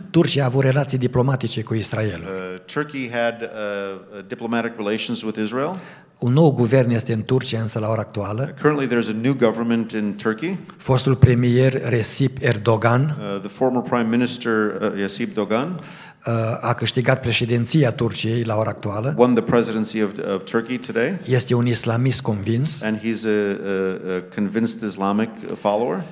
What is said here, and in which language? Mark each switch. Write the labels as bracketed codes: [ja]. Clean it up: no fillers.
[ro] Turcia a avut relații diplomatice cu Israel. [en] Turkey had diplomatic relations with Israel. [ro] Un nou guvern este în Turcia, însă la ora actuală. [en] Currently there's a new government in Turkey. [ro] Fostul premier Recep Erdogan. [en] The former prime minister Recep Erdogan. [ro] A câștigat președinția Turciei la ora actuală. [en] Won the presidency of Turkey today. [ro] Este un islamist convins. [en] And he's a convinced Islamic follower.